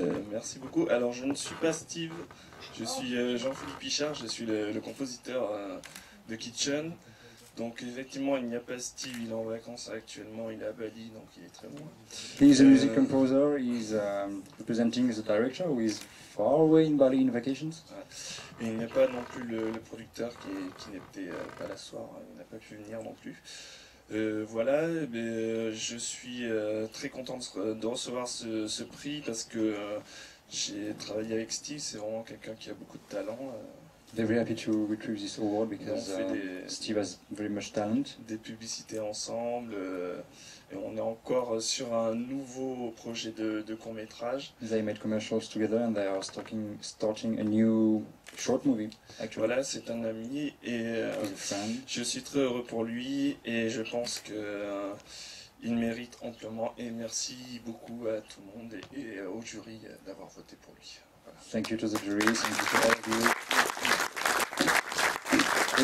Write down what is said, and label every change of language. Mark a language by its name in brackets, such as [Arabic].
[French] Merci beaucoup. Alors je ne suis pas Steve. Je suis Jean-Philippe Pichard, je suis le compositeur de Kitchen. Donc effectivement, il n'y a pas Steve, il est en vacances actuellement, il est à Bali, donc il est très loin. [English] He is a music composer, he is representing the director who is far away in Bali in vacations. [French] Et il n'y a pas non plus le producteur qui n'était pas là ce soir, il n'a pas pu venir non plus. Voilà, je suis très content de recevoir ce prix parce que j'ai travaillé avec Steve, c'est vraiment quelqu'un qui a beaucoup de talent. [English] Very happy to retrieve this award because [French] on fait [English] Steve has very much talent. [French] Des publicités ensemble et on est encore sur un nouveau projet de court-métrage. [English] They made commercials together and they are starting a new short movie. Actually. [French] Voilà, c'est un ami et je suis très heureux pour lui et je pense que il mérite amplement et merci beaucoup à tout le monde et au jury d'avoir voté pour lui. [English] Voilà. Thank you to the jury. Thank you to all of you.